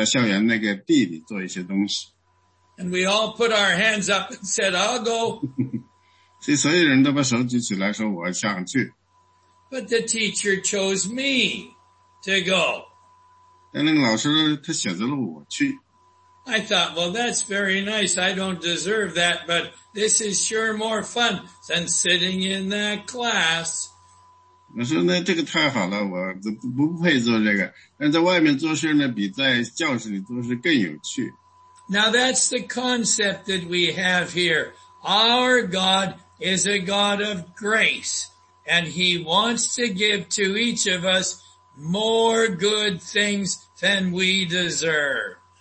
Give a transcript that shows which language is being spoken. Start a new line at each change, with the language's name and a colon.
Chinese: 老师说呢，我需要一些人到那个校园里去做一些，在校园那个地里做一些东西。
English: And we all put our hands up and said, I'll go.
Chinese: 所以所有人都把手举起来说我想去。
English: But the teacher chose me to go.
Chinese: 但那个老师他选择了我去。
English: I thought, well, that's very nice. I don't deserve that, but this is sure more fun than sitting in that class.
Chinese: 我说那这个太好了，我不配做这个。但在外面做事呢，比在教室里做事更有趣。
English: Now that's the concept that we have here. Our God is a God of grace, and He wants to give to each of us more good things than we deserve.